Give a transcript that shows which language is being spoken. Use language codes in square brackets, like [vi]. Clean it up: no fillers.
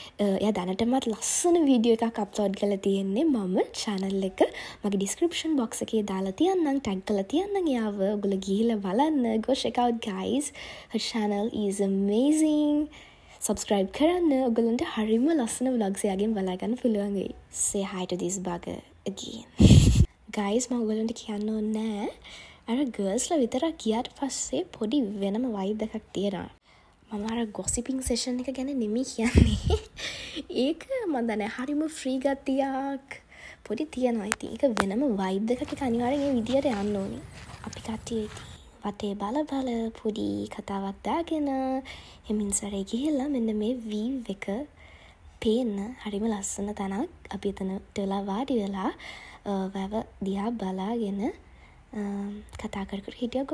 [si] එයා දැනටමත් ලස්සන වීඩියෝ එකක් අප්ලෝඩ් කරලා තියෙන්නේ මම චැනල් එක මගේ ඩිස්ක්‍රිප්ෂන් බොක්ස් ඒ දාලා තියන්නම්, ටැග් කරලා තියන්නම් යාව. ඔගොල්ලෝ ගිහිල්ලා බලන්න. [en] Go check out guys. Her channel is amazing. Subscribe කරන්න. [si] ඔගොල්ලන්ට හරිම ලස්සන vlogs යාගෙන් බලා ගන්න පුළුවන් වෙයි. [en] Say hi to this bugger again. [si] Guys, මම ඔයගොල්ලන්ට කියන්න ඕනේ, අර girls-ලා විතරක් කියාට පස්සේ පොඩි වෙනම vibe එකක් තියෙනවා. මම අර gossiping session එක ගැන නෙමෙයි කියන්නේ. ඒක මම දන්නේ හරිම free ගතියක් පොඩි තියනවා. ඉතින් ඒක වෙනම වයිබ් එකක්. අනිවාර්යෙන් මේ විදියට යන්න ඕනේ. අපි කට්ටිය ඉතින් වටේ බල බල පොඩි කතාවක් දාගෙන හෙමින්සරේ ගිහිල්ලා මෙන්න මේ view එක පේන හරිම ලස්සන තැනක් අපි එතන ටෙලා වාඩි වෙලා වැව දිහා බලාගෙන කතා කර කර හිටියා.